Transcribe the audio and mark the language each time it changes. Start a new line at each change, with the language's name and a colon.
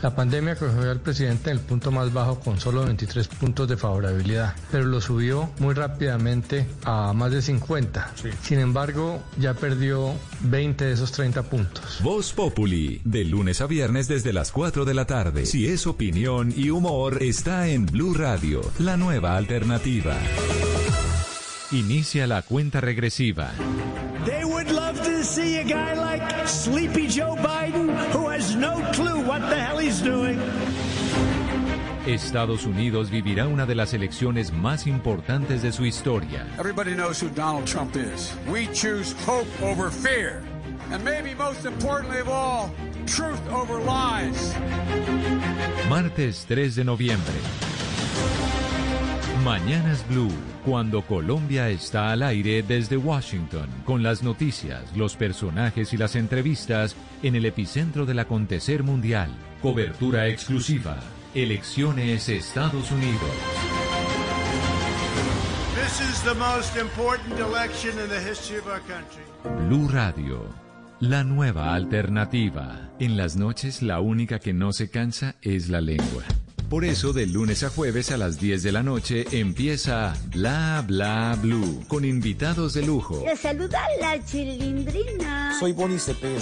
Spanish: La pandemia cogió al presidente en el punto más bajo con solo 23 puntos de favorabilidad, pero lo subió muy rápidamente a más de 50. Sí. Sin embargo, ya perdió 20 de esos 30 puntos. Voz Populi, de lunes a viernes desde las 4 de la tarde. Si es opinión y humor, está en Blue Radio, la nueva alternativa. Inicia la cuenta regresiva.
English: They would love to see a guy like Sleepy Joe Biden, who has no clue what the hell he's doing.
Spanish: Estados Unidos vivirá una de las elecciones más importantes de su historia.
English: Everybody knows who Donald Trump is. We choose hope over fear. And maybe most importantly of all, truth over lies.
Spanish: Martes 3 de noviembre. Mañanas Blue, cuando Colombia está al aire desde Washington, con las noticias, los personajes y las entrevistas en el epicentro del acontecer mundial. Cobertura exclusiva. Elecciones Estados Unidos.
English: This is the most important election in the history of our country.
Spanish: Blue Radio, la nueva alternativa. En las noches, la única que no se cansa es la lengua. Por eso, de lunes a jueves a las 10 de la noche, empieza Bla Bla BLU, con invitados de lujo. Le saluda la Chilindrina. Soy Bonnie Cepeda.